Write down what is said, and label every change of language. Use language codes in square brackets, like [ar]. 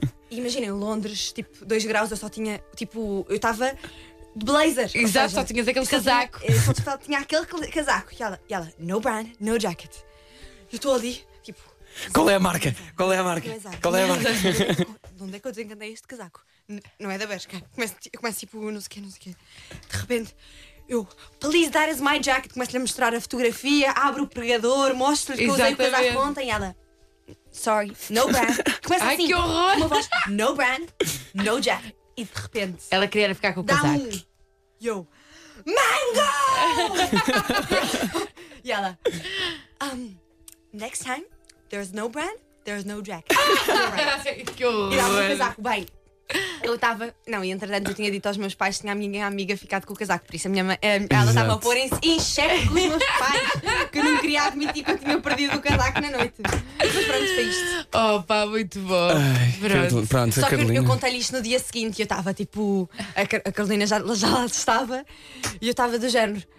[pt] Imaginem, Londres, tipo, 2 graus, eu só tinha, tipo, eu estava de blazer. Exato, seja, só tinhas aquele casaco. Só tinha aquele casaco. E ela, [en] no brand, no jacket. [pt] Eu estou ali, tipo, qual é a marca? Qual é a marca? Qual é a marca? De onde é que eu desencantei este casaco? Não é da Bershka. Eu começo tipo, não sei o quê. De repente, eu, [en] please, that is my jacket. [pt] Começo-lhe a mostrar a fotografia, abro o pregador, mostro-lhe que usei o casaco ontem. E ela, [en] sorry, no brand. [pt] Começo assim, que horror! Uma voz, [en] no brand, no jacket. [pt] e de repente ela queria ficar com o casaco. E eu, Mango! E ela, [en] next time, there's no brand, there's no jacket. [pt] Que horror! E dava o casaco, bem. Eu estava. Não, e entretanto eu tinha dito aos meus pais que tinha a minha amiga ficado com o casaco. Por isso a minha mãe. Ela estava a pôr em xeque com os meus pais que não queria admitir que eu tinha perdido o casaco na noite. Mas pronto, foi isto. Oh, pá, muito bom. Ai, pronto. Só que eu contei-lhe isto no dia seguinte e eu estava tipo. A Carolina já lá estava e eu estava do género.